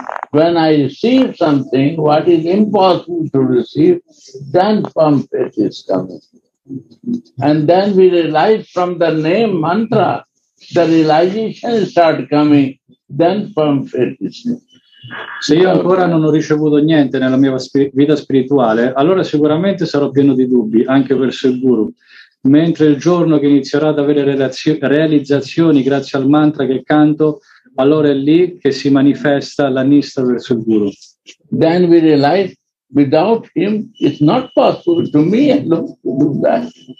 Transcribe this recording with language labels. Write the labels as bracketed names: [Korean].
[English] When I receive something, what is impossible to receive, then firm faith is coming. And then we realize from the name mantra, the realization start coming, then firm faith is coming. [Italian] Se io ancora non ho ricevuto niente nella mia vita spirituale, allora sicuramente sarò pieno di dubbi, anche verso il Guru. Mentre il giorno che inizierò ad avere realizzazioni grazie al mantra che canto, allora è lì che si manifesta la Nishtha verso il Guru. [English] Then we realize without him it's not possible to me alone to do that.